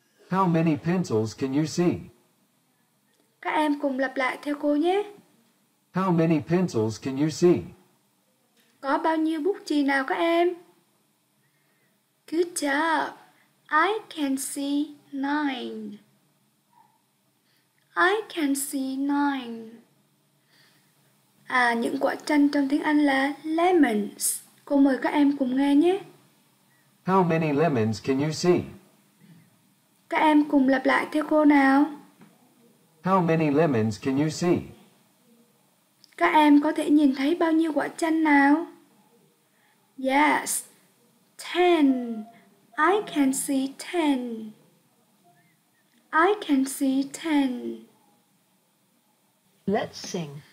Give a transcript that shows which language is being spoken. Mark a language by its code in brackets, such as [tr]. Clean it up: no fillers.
[en] How many pencils can you see? [vi] Các em cùng lặp lại theo cô nhé. [en] How many pencils can you see? [vi] Có bao nhiêu bút chì nào các em? [en] Good job. I can see 9. I can see 9. [vi] À, những quả chanh trong tiếng Anh là lemons. Cô mời các em cùng nghe nhé. [en] How many lemons can you see? [vi] Các em cùng lặp lại theo cô nào. [en] How many lemons can you see? [vi] Các em có thể nhìn thấy bao nhiêu quả chanh nào? [en] Yes, 10. I can see 10. I can see 10. Let's sing.